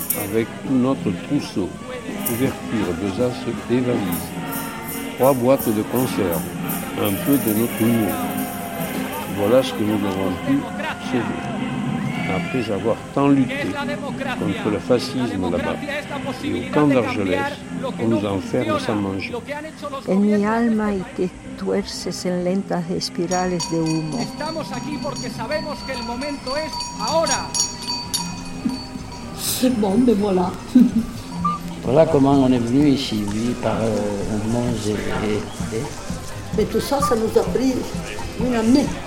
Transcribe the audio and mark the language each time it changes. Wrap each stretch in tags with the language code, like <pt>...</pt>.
<fr>Avec tout notre trousseau, couverture, besaces et valises, 3 boîtes de conserve, un peu de notre humour. Voilà ce que nous avons pu sauver. Après avoir tant lutté contre le fascisme là-bas et au camp d'Argelès, on nous enferme sans manger.</fr> <es>En mi alma y te tuerces en lentas espirales de humo. Estamos aquí porque sabemos que el momento es ahora.</es> <fr>C'est bon, me voilà. Voilà comment on est venu ici, oui, par Mons et... Mais tout ça, ça nous a pris une année.</fr>